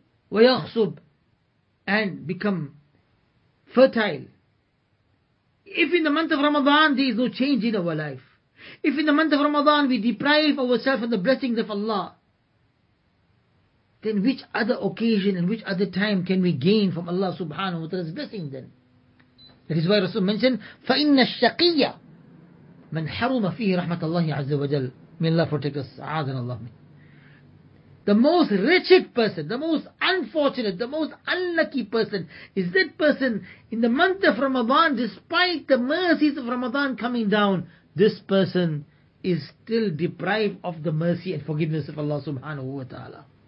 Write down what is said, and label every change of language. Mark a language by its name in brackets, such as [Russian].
[English] وَيَخْصُبْ and become fertile? If in the month of Ramadan there is no change in our life, if in the month of Ramadan we deprive ourselves of the blessings of Allah, then which other occasion and which other time can we gain from Allah subhanahu wa ta'ala's blessing then? That is why Rasul mentioned, [Arabic] فَإِنَّ الشَّقِيَّ مَنْ حَرُمَ فِيهِ رَحْمَةَ اللَّهِ عَزَّ وَجَلْ. [English] May Allah protect us. A'adhan Allah. The most wretched person, the most unfortunate, the most unlucky person, is that person in the month of Ramadan, despite the mercies of Ramadan coming down, this person is still deprived of the mercy and forgiveness of Allah subhanahu wa ta'ala.